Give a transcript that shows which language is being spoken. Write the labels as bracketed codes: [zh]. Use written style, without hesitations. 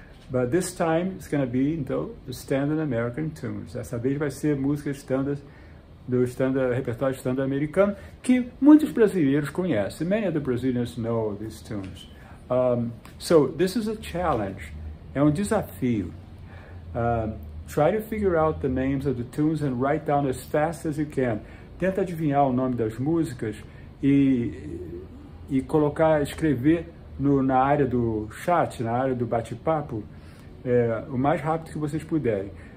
[en] But this time it's going to be the standard American tunes. [pt] Essa vez vai ser música standard do standard, repertório standard americano que muitos brasileiros conhecem. [en] Many of the Brazilians know these tunes. So this is a challenge. [pt] É um desafio. [en] Try to figure out the names of the tunes and write down as fast as you can. [pt] Tenta adivinhar o nome das músicas e colocar, escrever na área do chat, na área do bate-papo, o mais rápido que vocês puderem.